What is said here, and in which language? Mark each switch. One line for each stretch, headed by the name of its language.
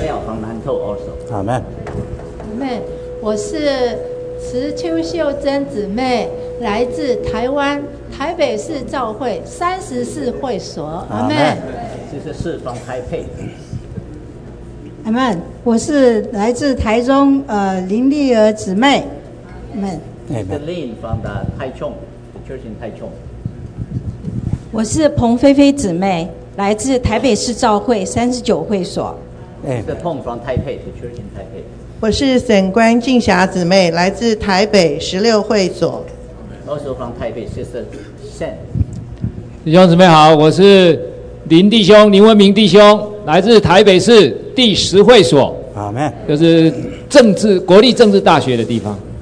English: Liao from
Chinese: 南投
English: also。
Chinese: 阿门。阿门。我是池秋秀珍姊妹，来自台湾台北市召会三十四会所。阿门。
English: Sister Shi from Taipei。
Chinese: 阿门。我是来自台中林丽儿姊妹。阿门。
English: Celine from the Taichung, the church in Taichung.
Chinese: 我是彭菲菲姊妹，来自台北市召会三十九会所。
English: Sister Pong from Taipei, the church in Taipei.
Chinese: 我是沈关静霞姊妹，来自台北十六会所。
English: Also from Taipei, Sister Shen.
Chinese: 弟兄姊妹好，我是林弟兄林文明弟兄，来自台北市第十会所。
English: Amen.
Chinese: 就是政治国立政治大学的地方。